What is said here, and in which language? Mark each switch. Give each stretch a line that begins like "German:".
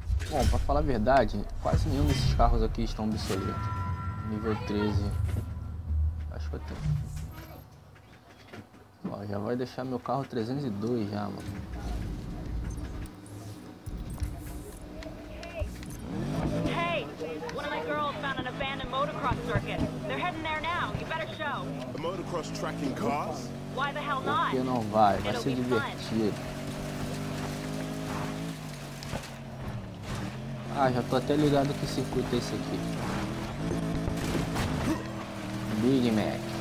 Portuguese: Bom, pra falar a verdade, quase nenhum desses carros aqui estão obsoletos. Nível 13. Acho que eu tenho. Ó, já vai deixar meu carro 302 já, mano.
English: Hey, one of my girls found an abandoned motocross circuit. They're heading there now. You better show. A motocross tracking cars? Why the hell not?
Portuguese: Porque não vai, vai ser divertido. Ah, já tô até ligado que circuito é esse aqui.
English: Big Mac.